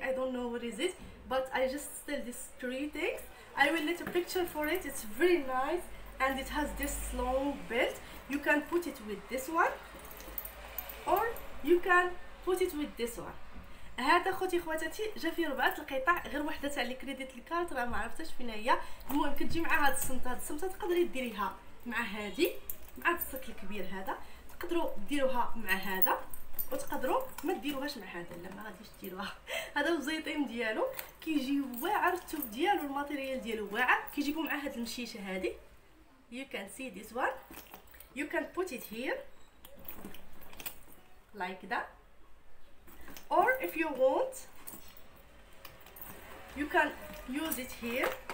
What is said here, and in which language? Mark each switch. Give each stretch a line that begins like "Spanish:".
English: I don't know what is it, but I just steal these 3 things. I will let a picture for it. It's very nice and it has this long belt. You can put it with this one or you can put it with this one.
Arabic: هذا خوتي خواتاتي جا فيه 4 القطع غير واحدة تاع لي كريديت الكارت راه ما عرفتش فين هي. المهم كتجي مع هاد الصنطة، هاد الصنطة تقدري ديريها مع هادي مع هاد الصك الكبير هذا، تقدروا ديروها مع هذا وتقدروا ما ديروهاش مع هذا، لا ما غاديش ديروها. هذا الزيطين ديالو كيجي واعر، التوب ديالو الماتيريال ديالو واعر، كيجيكم مع هاد المشيشة هادي.
English: You can see this one. You can put it here like that. Or if you want, you can use it here.